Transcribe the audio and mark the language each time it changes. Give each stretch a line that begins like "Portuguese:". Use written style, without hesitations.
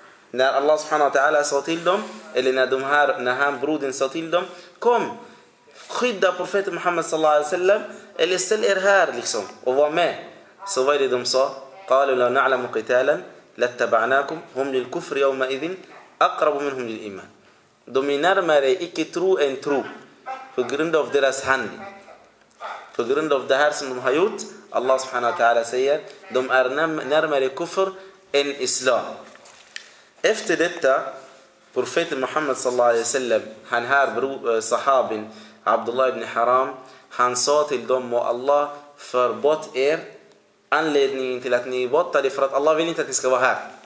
Swedish: När Allah subhanahu wa ta'ala sa till dem, eller när de här broden sa till dem: kom skydda profeten Muhammad sallallahu alaihi wasallam eller ställ er här liksom och var med. Så vad är det de sa?
Arabic: قالوا لو نعلم قتالا لاتبعناكم هم للكفر يومئذ اقرب منهم للايمان.
Swedish: De är närmare icke-tro än tro på grund av deras handling. På grund av det här som de har gjort, Allah subhanahu wa ta'ala säger, de är närmare kuffer än islam. Efter detta, profeten Muhammad sallallahu alaihi wasallam, han här sahabin Abdullah ibn Haram, han sa till dem: må Allah förbott er anledningen till att ni är borta, för att Allah vill inte att ni ska vara här.